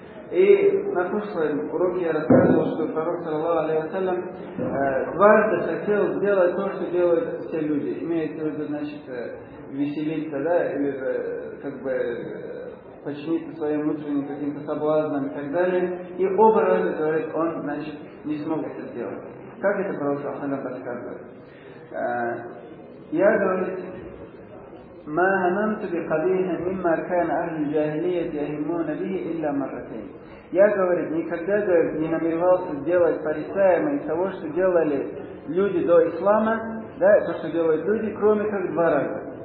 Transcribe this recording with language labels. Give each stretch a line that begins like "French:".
Russian: И на прошлом уроке я рассказывал, что пророк, саллаллаху алейхи ва саллям, дважды хотел сделать то, что делают все люди. Имеется в виду, значит, веселиться, да, или как бы подчиниться своим внутренним каким-то соблазнам и так далее. И оба раза, говорит, он, значит, не смог это сделать. Как это пророк саллаллаху алейхи ва саллям подсказывает? Я, говорит,
Arabic: ما هممت بقبيح مما كان أهل الجاهلية يهمون به إلا مرتين.
Russian: Я, говорит, никогда, говорит, не намеревался сделать фарисеем из того, что делали люди до ислама, да, то, что делают люди, кроме как два раза.